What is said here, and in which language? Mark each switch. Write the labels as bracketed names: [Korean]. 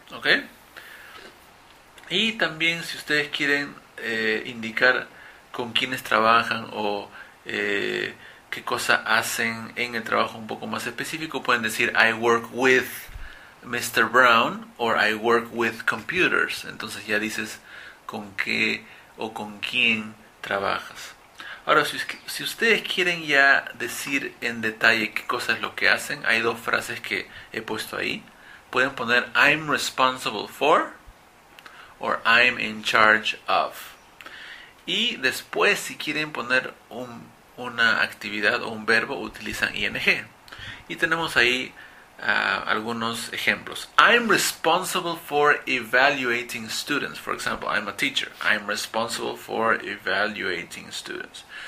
[Spanish] ¿Ok? Y también si ustedes quieren indicar con quiénes trabajan o qué cosa hacen en el trabajo un poco más específico, pueden decir [English] I work with Mr. Brown or I work with computers. [Spanish] Entonces ya dices con qué o con quién trabajas. Ahora, si ustedes quieren ya decir en detalle qué cosa es lo que hacen, hay dos frases que he puesto ahí. Pueden poner [English] I'm responsible for [Spanish] o [English] I'm in charge of. [Spanish] Y después, si quieren poner una actividad o un verbo, utilizan ing. Y tenemos ahí algunos ejemplos. [English] I'm responsible for evaluating students. For example, I'm a teacher. I'm responsible for evaluating students.